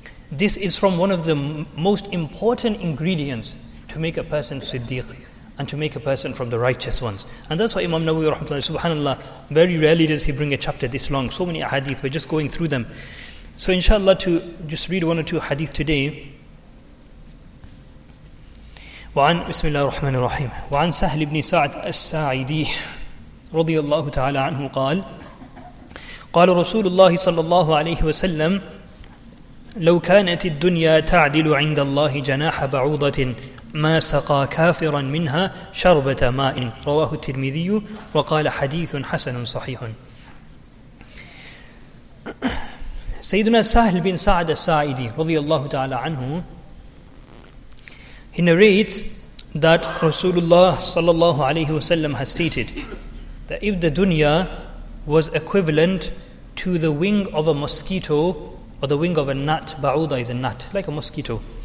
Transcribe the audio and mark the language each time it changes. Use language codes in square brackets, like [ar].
[en] This is from one of the most important ingredients to make a person siddiq and to make a person from the righteous ones. And that's why Imam Nawawi rahmatullahi, subhanallah, very rarely does he bring a chapter this long. So many hadith, we're just going through them. So inshallah, to just read one or two hadith today. [ar] وعن بسم الله الرحمن الرحيم وعن سهل بن سعد الساعدي رضي الله تعالى عنه قال قال رسول الله صلى الله عليه وسلم لو كانت الدنيا تعدل عند الله جناح بعوضة ما سقى كافرا منها شربة ماء رواه الترمذي وقال حديث حسن صحيح. [en] سيدنا سهل بن سعد الساعدي [ar] رضي الله تعالى عنه, [en] he narrates that Rasulullah sallallahu alayhi wasallam has stated that if the dunya was equivalent to the wing of a mosquito, or the wing of a gnat, ba'uda is a gnat, like a mosquito,